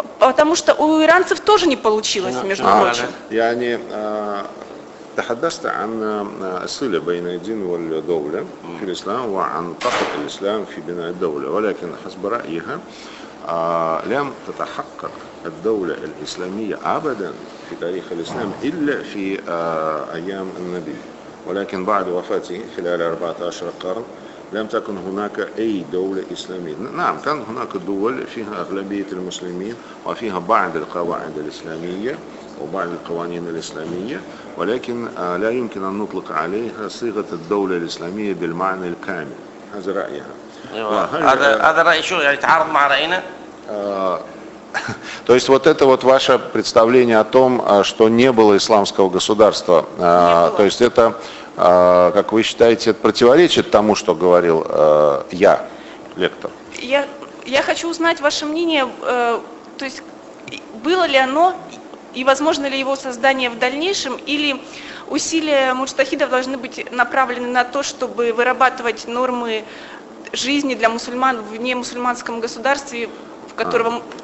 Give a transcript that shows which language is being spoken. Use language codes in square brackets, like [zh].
[ru] Потому что у иранцев тоже не получилось, между прочим. Я не... [ar] تحدثت عن الصلة بين الدين والدولة في الإسلام وعن طاقة الإسلام في بناء الدولة ولكن حسب رأيها لم تتحقق الدولة الإسلامية أبدا في تاريخ الإسلام إلا في أيام النبي ولكن بعد وفاته خلال 14 قرن لم تكن هناك أي دولة إسلامية نعم كان هناك دول فيها أغلبية المسلمين وفيها بعض القواعد الإسلامية وبعض القوانين الإسلامية ولكن لا يمكن أن نطلق عليها صيغة الدولة الإسلامية بالمعنى الكامل هذا رأيها هذا رأي شو يعني تعارض مع رأينا؟ [ru] То есть вот это вот ваше представление о том, что не было исламского государства, то есть это, как вы считаете, противоречит тому, что говорил я, лектор? Я хочу узнать ваше мнение, то есть было ли оно и возможно ли его создание в дальнейшем, или усилия муджтахидов должны быть направлены на то, чтобы вырабатывать нормы жизни для мусульман в немусульманском государстве, в котором...